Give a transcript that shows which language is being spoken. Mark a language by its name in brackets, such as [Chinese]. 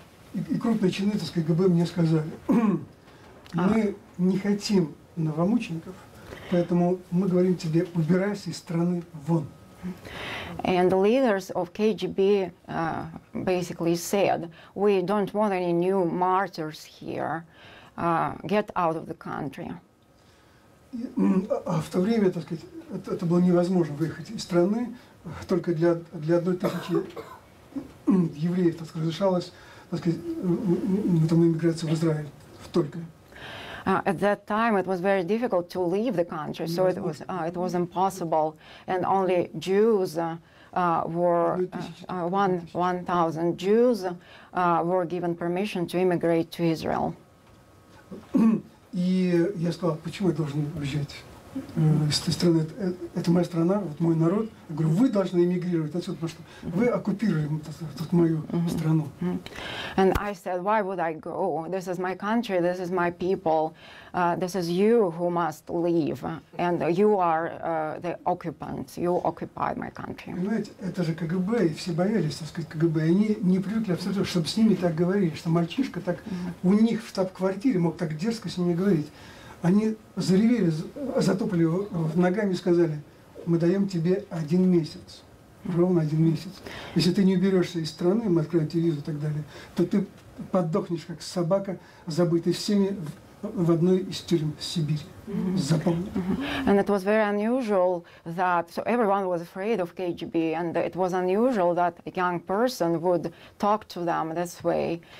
[Russian] И крупные чины, так сказать, КГБ мне сказали, мы не хотим новомучеников, поэтому мы говорим тебе, убирайся из страны вон. [English] And the leaders of KGB basically said, we don't want any new martyrs here, get out of the country. [Russian] А в то время, так сказать, это было невозможно выехать из страны, только для 1000 евреев, так сказать, разрешалось. [English] At that time, it was very difficult to leave the country, so it was impossible, and only Jews were 1,000 Jews were given permission to immigrate to Israel. [Russian] И я сказал, почему я должен уезжать из страны? Это моя страна, вот мой народ. Я говорю, вы должны эмигрировать отсюда, потому что вы оккупируете тут мою страну. [English] And I said, why would I go? This is my country, this is my people, this is you who must leave, and you are the occupants, you occupied my country. [Russian] Понимаете, это же КГБ, и все боялись, так сказать, КГБ, и они не привыкли абсолютно, чтобы с ними так говорили, что мальчишка так у них в штаб-квартире мог так дерзко с ними говорить. Они заревели, затопали ногами и сказали, мы даем тебе один месяц, ровно один месяц. Если ты не уберешься из страны, мы откроем тебе визу и так далее, то ты подохнешь, как собака, забытая всеми в одной из тюрьм в Сибири. [English] And it was very unusual that, so everyone was afraid of KGB, and it was unusual that a young person would talk to them this way.